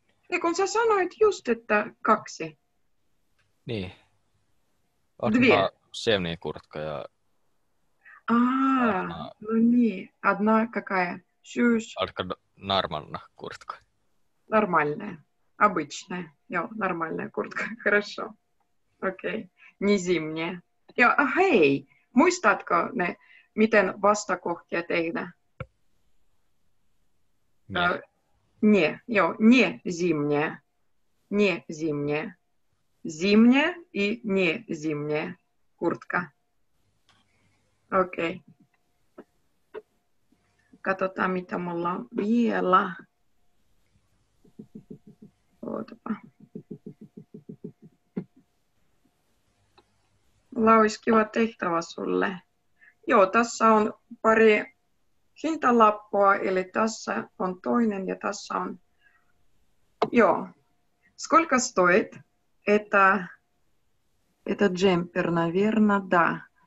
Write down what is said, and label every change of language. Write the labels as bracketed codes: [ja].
[fi] И kun sä sanoit just, että kaksi. Niin. [ru] Две. Зимняя куртка ja... Ну niin. Одна какая? Syys. Одна нормальная куртка. Нормальная. Обычная. Йо, нормальная куртка. Хорошо. Окей. Не зимняя. Йо, а хей! [fi] Muistatko ne, miten vastakohtia tehdä? [ru] Не. Йо, не зимняя. Не зимняя. Зимняя и не зимняя куртка. Окей. [fi] Katsotaan, mitä mulla on vielä. Ootapa. Mulla olisi kiva tehtävä sulle. Joo, tässä on pari hintalappua, eli tässä on toinen ja tässä on... [ru] Joo. Сколько стоит? Это джемпер, наверное, да.